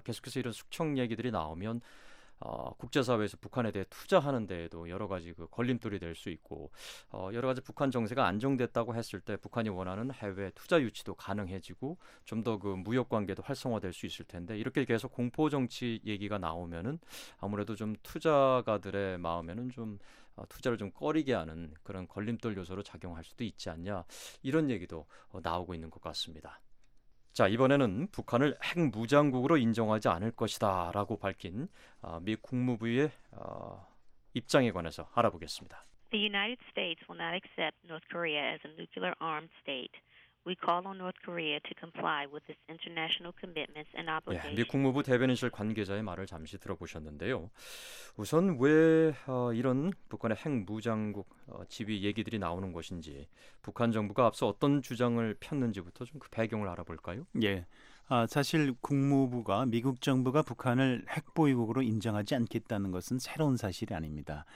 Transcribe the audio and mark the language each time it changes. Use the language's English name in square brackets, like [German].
[Korean] 계속해서 이런 숙청 얘기들이 나오면 국제사회에서 북한에 대해 투자하는 데에도 여러 가지 그 걸림돌이 될 수 있고 여러 가지 북한 정세가 안정됐다고 했을 때 북한이 원하는 해외 투자 유치도 가능해지고 좀 더 그 무역 관계도 활성화될 수 있을 텐데 이렇게 계속 공포 정치 얘기가 나오면은 아무래도 좀 투자가들의 마음에는 좀 투자를 좀 꺼리게 하는 그런 걸림돌 요소로 작용할 수도 있지 않냐 이런 얘기도 나오고 있는 것 같습니다. 자 이번에는 북한을 핵무장국으로 인정하지 않을 것이다 라고 밝힌 미 국무부의 입장에 관해서 알아보겠습니다. [English] The United States will not accept North Korea as a nuclear armed state. We call on North Korea to comply with its international commitments and obligations. [Korean] 미 국무부 대변인실 관계자의 말을 잠시 들어보셨는데요. 우선 왜 이런 북한의 핵무장국 지위 얘기들이 나오는 것인지 북한 정부가 앞서 어떤 주장을 폈는지부터 좀 그 배경을 알아볼까요? 예. 사실 국무부가 미국 정부가 북한을 핵보유국으로 인정하지 않겠다는 것은 새로운 사실이 아닙니다.